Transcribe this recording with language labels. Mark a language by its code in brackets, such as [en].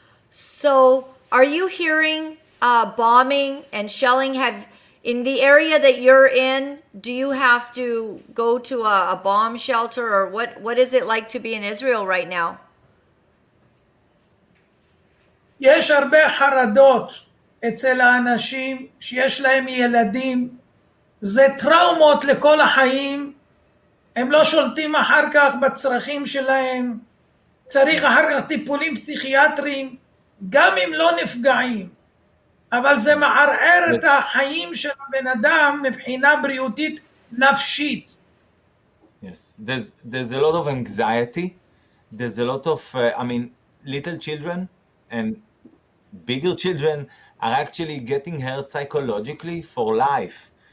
[en] So are you hearing bombing and shelling? In the area that you're in, do you have to go to a bomb shelter, or what is it like to be in Israel right now? [he] יש הרבה חרדות אצל האנשים שיש להם ילדים, זה טראומות לכל החיים, הם לא שולטים אחר כך בצרכים שלהם, צריך אחר כך טיפולים פסיכיאטריים, גם אם לא נפגעים, אבל זה מערער את החיים של הבן אדם מבחינה בריאותית נפשית. [en] Yes, there's a lot of anxiety, there's a lot of, little children and bigger children are actually getting hurt psychologically for life.